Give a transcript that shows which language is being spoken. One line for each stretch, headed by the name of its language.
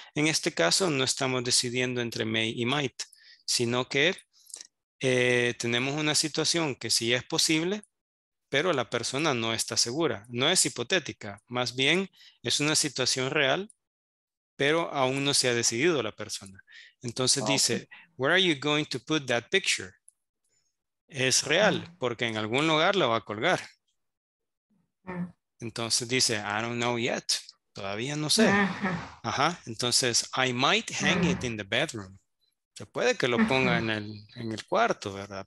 Spanish: En este caso no estamos decidiendo entre may y might, sino que tenemos una situación que sí es posible, pero la persona no está segura. No es hipotética, más bien es una situación real, pero aún no se ha decidido la persona. Entonces dice,
English: where are you going to put that picture?
Spanish: Es real, porque en algún lugar la va a colgar. Entonces dice,
English: I don't know yet.
Spanish: Todavía no sé. Ajá. Entonces,
English: I might hang it in the bedroom.
Spanish: Se puede que lo ponga en el cuarto, ¿verdad?